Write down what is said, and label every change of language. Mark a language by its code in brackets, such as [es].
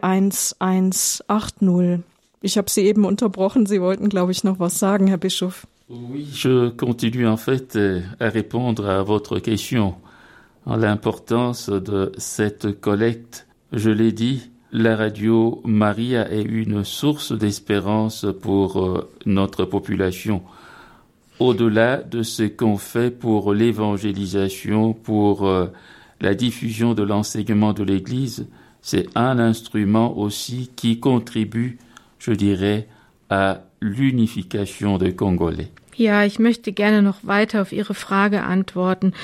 [de] 08328 921 180. Ich habe Sie eben unterbrochen. Sie wollten, glaube ich, noch was sagen, Herr Bischof. [fr] Oui, je continue en fait à répondre à votre question. L'importance de cette collecte, je l'ai dit, la Radio Maria est une source d'espérance pour notre population. Au-delà de ce qu'on fait pour l'évangélisation, pour la diffusion de l'enseignement de l'Église, c'est un instrument aussi qui contribue, je dirais, à l'unification des Congolais. [de] Ja, ich möchte gerne noch weiter auf Ihre Frage antworten.